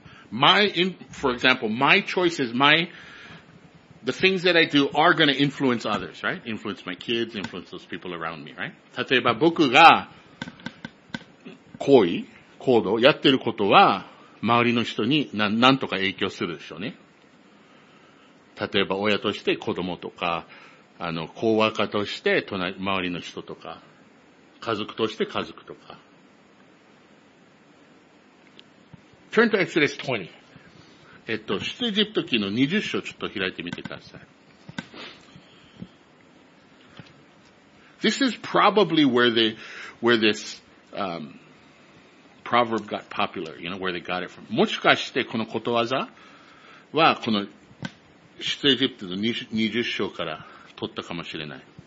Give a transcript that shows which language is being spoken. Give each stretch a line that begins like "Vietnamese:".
English: For example, my choices, the things that I do are going to influence others, right? Influence my kids, influence those people around me, right?
Japanese: 例えば、僕が、行動、やってることは、周りの人に何とか影響するでしょうね。例えば親として子供とか、コーワーカーとして隣、周りの人とか、家族として家族とか。
English: Turn to Exodus 20.
Japanese: 出エジプト記の20章ちょっと開いてみてください。
English: This is probably where this, proverb got popular, you know, where they got it from.
Japanese: もしかしてこのことわざはこの出エジプトの20章から取ったかもしれない。